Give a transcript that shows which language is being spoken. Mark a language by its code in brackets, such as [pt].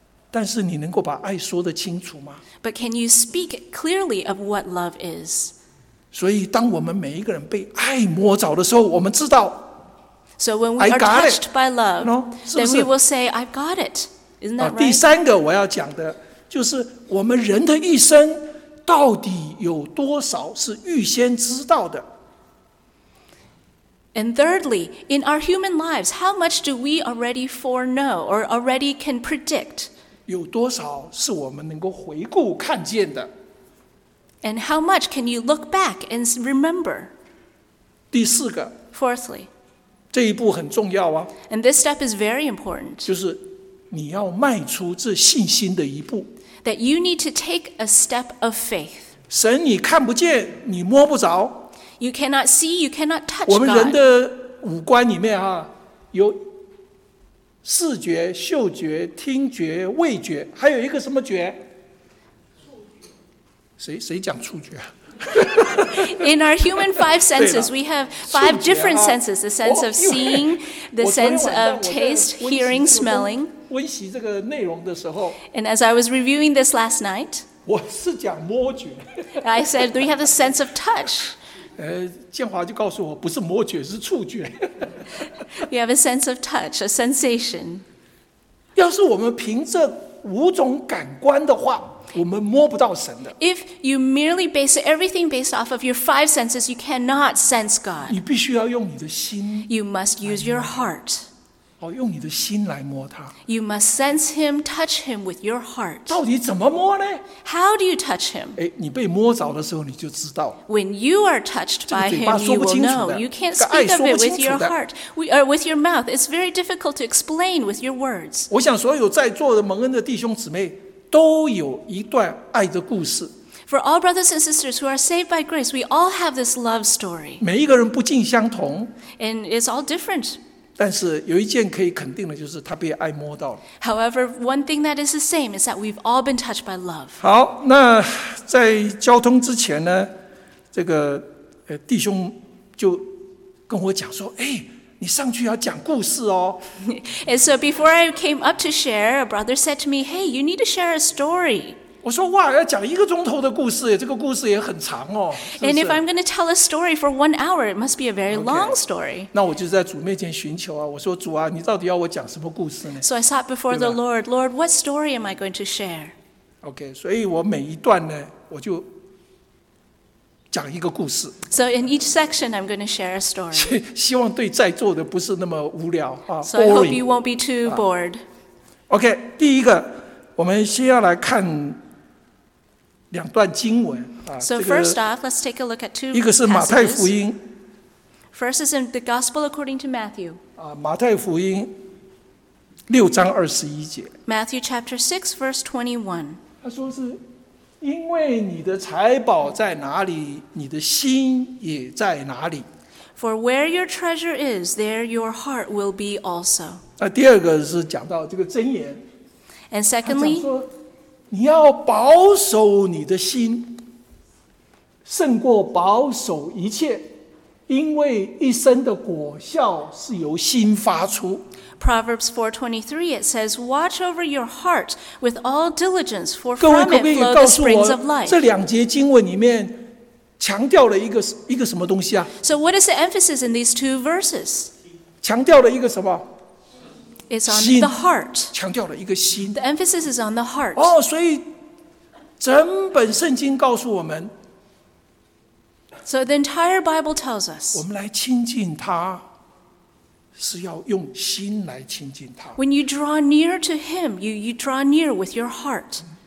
[zh] 但是你能够把爱说得清楚吗？ [en] But can you speak clearly of what love is? [zh] 所以当我们每一个人被爱摸着的时候，我们知道 [en] So when we are touched by love, no? [zh] 是不是？ [en] Then we will say, I've got it. Isn't that right? [zh] 第三个我要讲的就是我们人的一生到底有多少是预先知道的。 [en] And thirdly, in our human lives, how much do we already foreknow or already can predict? [zh] 有多少是我们能够回顾看见的。 [en] And how much can you look back and remember? [zh] 第四个。 [en] Fourthly, [zh] 这一步很重要啊。 [en] And this step is very important. [zh] 就是你要迈出这信心的一步。 [en] That you need to take a step of faith. [zh] 神，你看不见，你摸不着。 [en] You cannot see, you cannot touch God. [zh] 我们人的五官里面啊，有视觉、嗅觉、听觉、味觉，还有一个什么觉？谁讲触觉？ [en] In our human five senses, we have five different senses: the sense of seeing, the sense of taste, hearing, smelling. [zh] 温习这个内容的时候 [en] ，And as I was reviewing this last night, [zh] 我是讲摸觉。 [en] I said we have a sense of touch. [zh] 建华就告诉我，不是摸觉，是触觉。 [en] We have a sense of touch, a sensation. [zh] 要是我们凭这五种感官的话。我们摸不到神的。 [en] If you merely base everything based off of your five senses, you cannot sense God. [zh] 你必须要用你的心。 [en] You must use your heart. [zh] 用你的心来摸他。 [en] You must sense him, touch him with your heart. [zh] 到底怎么摸呢？ [en] How do you touch him? [zh] 你被摸着的时候你就知道。 [en] When you are touched by him, you will know. You can't speak of it with your heart, with your mouth. It's very difficult to explain with your words. [zh] 我想所有在座的蒙恩的弟兄姊妹都有一段爱的故事。 [en] For all brothers and sisters who are saved by grace, we all have this love story. [zh] 每一个人不尽相同。 [en] And it's all different. [zh] 但是有一件可以肯定的就是他被爱摸到了。 [en] However, one thing that is the same is that we've all been touched by love. [zh] 好，那在交通之前呢，这个弟兄就跟我讲说，你上去要讲故事哦。 [en] And so before I came up to share, a brother said to me, "Hey, you need to share a story." [zh] 我说哇，要讲一个钟头的故事耶，这个故事也很长哦。 [en] And if I'm going to tell a story for 1 hour, it must be a very long story. [zh] 那我就在主面前寻求啊，我说主啊，你到底要我讲什么故事呢？ [en] So I sought before the Lord, "Lord, what story am I going to share?" [zh] Okay, 所以我每一段呢，我就讲一个故事。 [en] So in each section, I'm going to share a story. [zh] 希望对在座的不是那么无聊啊。 [en] So I hope you won't be too bored. [zh] OK, 第一个，我们先要来看两段经文啊。 [en] So first off, let's take a look at two passages. [zh] 一个是马太福音。 [en] First is in the Gospel according to Matthew. [zh] 马太福音六章二十一节。 [en] Matthew chapter 6, verse 21. [zh] 他说是。因为你的财宝在哪里，你的心也在哪里。 [en] For where your treasure is, there your heart will be also. [zh] 第二个是讲到这个箴言。 [en] And secondly, [zh] 他讲说，你要保守你的心，胜过保守一切，因为一生的果效是由心发出。 [en] Proverbs 4:23, it says, Watch over your heart with all diligence, for from it flow the springs of life. [zh] 这两节经文里面强调了一个什么东西啊? [en] So what is the emphasis in these two verses? [zh] 强调了一个什么? [en] It's on the heart. [zh] 强调了一个心。 [en] The emphasis is on the heart. [zh] 哦，所以整本圣经告诉我们。 [en] So the entire Bible tells us. [zh] 我们来亲近他。是要用心来亲近他。 [en] When you draw near to him, you draw near with your heart.